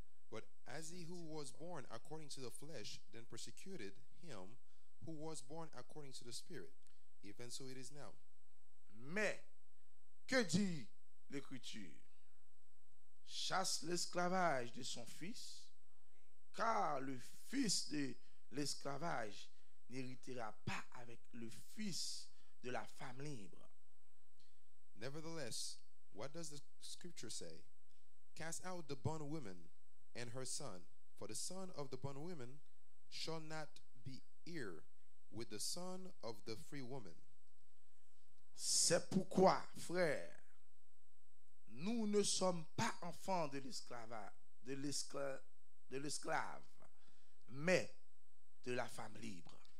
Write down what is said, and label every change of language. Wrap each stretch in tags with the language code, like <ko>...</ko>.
<en>But as he who was born according to the flesh then persecuted him who was born according to the spirit, even so it is now.</en> <fr>Mais que dit l'Écriture? Chasse l'esclavage de son fils, car le fils de l'esclavage n'héritera pas avec le fils de la femme libre.</fr> <en>Nevertheless, what does the Scripture say? Cast out the bondwoman and her son, for the son of the bondwoman shall not be heir with the son of the free woman.</en> <fr>C'est pourquoi, frères, nous ne sommes pas enfants de l'esclave, mais de la femme libre.</fr>